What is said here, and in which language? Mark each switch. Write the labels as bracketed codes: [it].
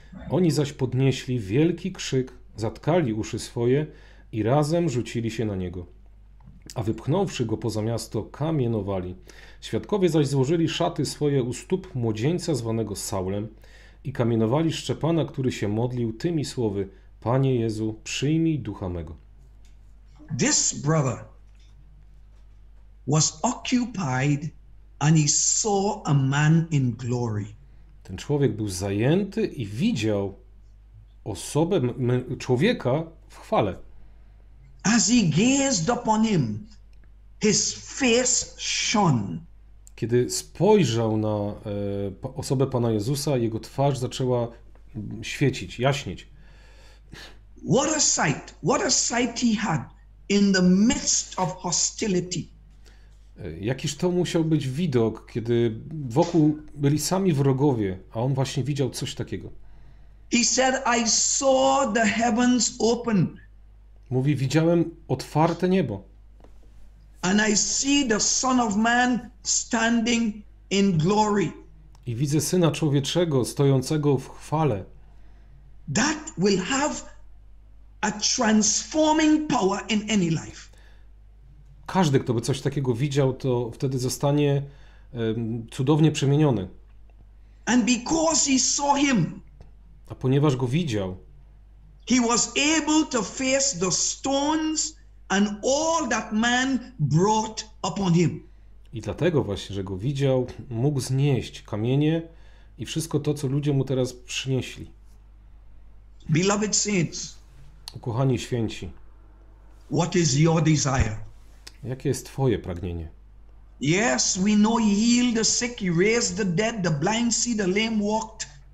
[pl] Oni zaś podnieśli wielki krzyk, zatkali uszy swoje i razem rzucili się na Niego. A wypchnąwszy Go poza miasto, kamienowali. Świadkowie zaś złożyli szaty swoje u stóp młodzieńca zwanego Saulem, i kamienowali Szczepana, który się modlił tymi słowy: Panie Jezu, przyjmij ducha mego. [en] This brother was occupied and he saw a man in glory. [pl] Ten człowiek był zajęty i widział osobę, człowieka w chwale. [en] As he gazed upon him, his face shone. [pl] Kiedy spojrzał na osobę Pana Jezusa, jego twarz zaczęła świecić, jaśnieć. [en] What a sight he had in the midst of hostility. [pl] Jakiż to musiał być widok, kiedy wokół byli sami wrogowie, a on właśnie widział coś takiego. [en] He said, I saw the heavens open. [pl] Mówi, widziałem otwarte niebo. [en] And I see the Son of Man standing in glory. [pl] I widzę Syna Człowieczego stojącego w chwale. [en] That will have a transforming power in any life. [pl] Każdy, kto by coś takiego widział, to wtedy zostanie cudownie przemieniony. [en] And because he saw him, [pl] A ponieważ go widział, [en] he was able to face the stones and all that man brought upon him. [pl] I dlatego właśnie, że go widział, mógł znieść kamienie i wszystko to, co ludzie mu teraz przynieśli. [en] Beloved saints, [pl] Ukochani święci, [en] what is your desire? [pl] Jakie jest twoje pragnienie? [en] Yes, we know he healed the sick, he raised the dead, the blind see, the lame walked.